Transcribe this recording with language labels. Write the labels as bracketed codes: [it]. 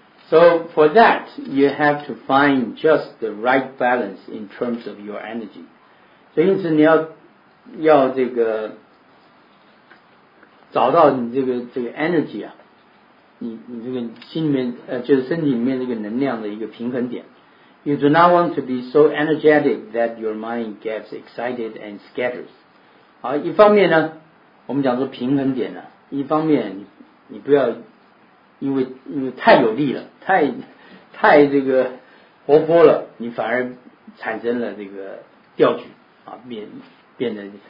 [en] So for that, you have to find just the right balance in terms of your energy. [zh] 所以因此你要这个。找到你这个 energy 啊，你这个心里面就是身体里面这个能量的一个平衡点。 [en] You do not want to be so energetic that your mind gets excited and scatters。 [zh] 好，一方面呢，我们讲说平衡点呢、啊，一方面你不要因为太有力了，太这个活泼了，你反而产生了这个调举啊，变得。